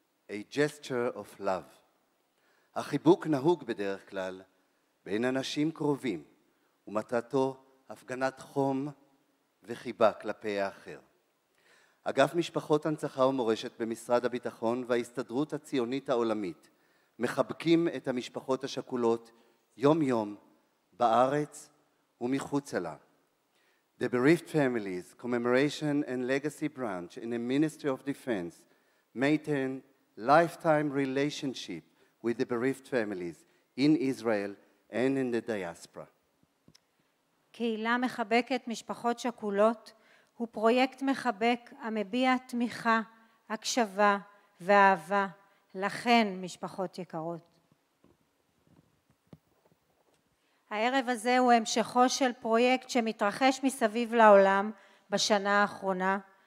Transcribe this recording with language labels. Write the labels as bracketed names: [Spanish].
[English] A gesture of love. [Hebrew] החיבוק נהוג בדרך כלל בין אנשים קרובים, ומטרתו הפגנת חום וחיבה כלפי האחר. אגף משפחות הנצחה ומורשת במשרד הביטחון וההסתדרות הציונית העולמית מחבקים את המשפחות השכולות יום יום בארץ ומחוצה לה. [English] The Bereaved Families Commemoration and Legacy Branch in the Ministry of Defense maintain lifetime relationship with the Bereaved Families in Israel and in the diaspora. [Hebrew] קהילה מחבקת משפחות שכולות הוא פרויקט מחבק המביע תמיכה, הקשבה ואהבה. לכן, משפחות יקרות. הערב הזה הוא המשכו של פרויקט שמתרחש מסביב לעולם בשנה האחרונה.